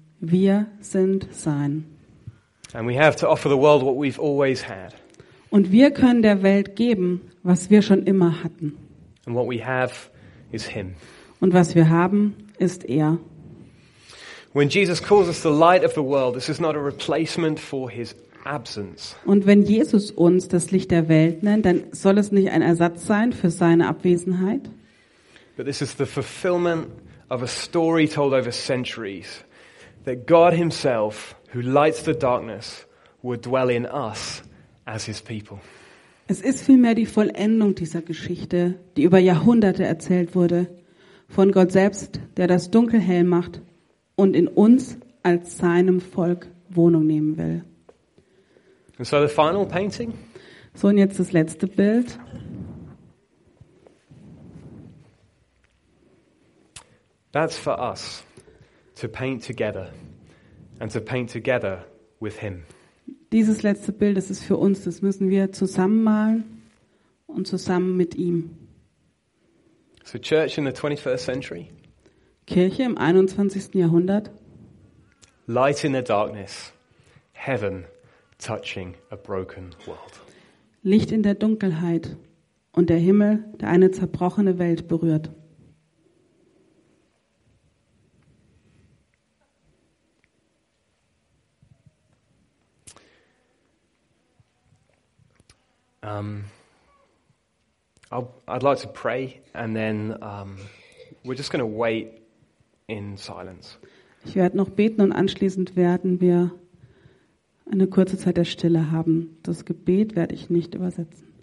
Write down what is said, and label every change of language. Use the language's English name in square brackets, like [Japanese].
[German] Wir sind sein. [English] And we have to offer the world what we've always had. [German] Und wir können der Welt geben, was wir schon immer hatten. [English] And what we have is him. [German] Und was wir haben, ist er. [English] When Jesus calls us the light of the world, this is not a replacement for his absence. [German] Und wenn Jesus uns das Licht der Welt nennt, dann soll es nicht ein Ersatz sein für seine Abwesenheit. [English] But this is the fulfillment of a story told over centuries, that God himself, who lights the darkness, would dwell in us as his people. [German] Es ist vielmehr die Vollendung dieser Geschichte, die über Jahrhunderte erzählt wurde, von Gott selbst, der das Dunkel hell macht und in uns als seinem Volk Wohnung nehmen will. [English] And so the final painting. [German] So, und jetzt das letzte Bild. [English] That's for us to paint together and to paint together with him. [German] Dieses letzte Bild, das ist für uns, das müssen wir zusammen malen und zusammen mit ihm. [English] So church in the 21st century. [German] Kirche im 21. Jahrhundert. [English] Light in the darkness. Heaven touching a broken world. [German] Licht in der Dunkelheit und der Himmel, der eine zerbrochene Welt berührt. [English] I'd like to pray and then we're just going to wait in silence. [German] Ich werde noch beten und anschließend werden wir eine kurze Zeit der Stille haben. Das Gebet werde ich nicht übersetzen.